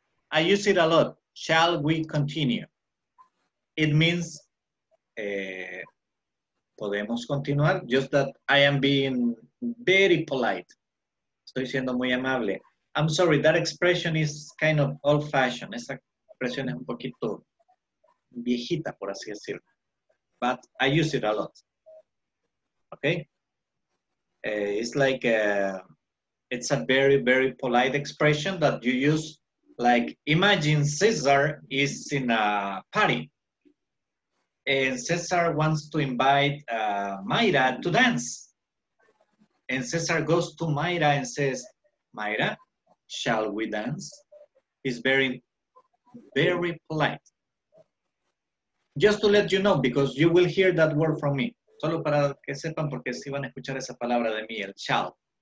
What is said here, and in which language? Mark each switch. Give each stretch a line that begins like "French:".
English: I use it a lot. Shall we continue? It means
Spanish: podemos continuar,
English: just that I am being very polite.
Spanish: Estoy siendo muy amable.
English: I'm sorry, that expression is kind of old fashioned.
Spanish: Esa expresión es un poquito viejita, por así decirlo.
English: But I use it a lot. Okay? It's like it's a very, very polite expression that you use. Like, imagine Caesar is in a party and Caesar wants to invite Mayra to dance. And Caesar goes to Mayra and says, Mayra, shall we dance? He's very, very polite. Just to let you know, because you will hear that word from me.
Spanish: Solo para que sepan, porque si van a escuchar esa palabra de mí, el shall.